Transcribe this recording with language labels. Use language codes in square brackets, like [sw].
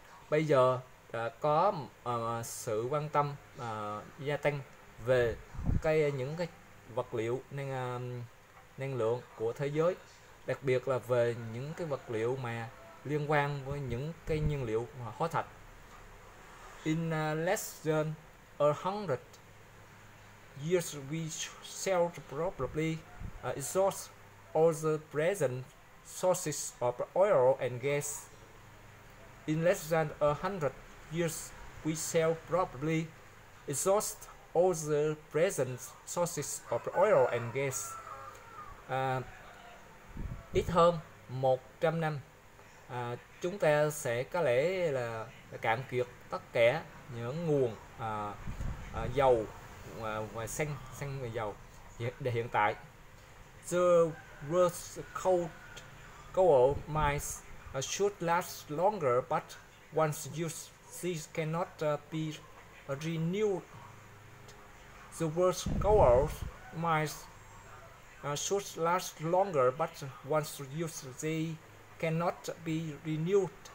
[vi] Bây giờ có sự quan tâm gia tăng về cái những cái vật liệu năng lượng của thế giới, đặc biệt là về những cái vật liệu mà liên quan với những cái nhiên liệu hóa thạch. [en] In less than 100 years we shall probably exhaust all the present sources of oil and gas. In less than 100 years we shall probably exhaust all the present sources of oil and gas. [vi] Ít hơn 100 năm, chúng ta sẽ có lẽ là cạn kiệt tất cả những nguồn dầu và xăng và dầu để hiện tại. [en] The world's coal mines should last longer, but once used, these cannot be renewed. The world's coal mines should last longer, but once used, they cannot be renewed.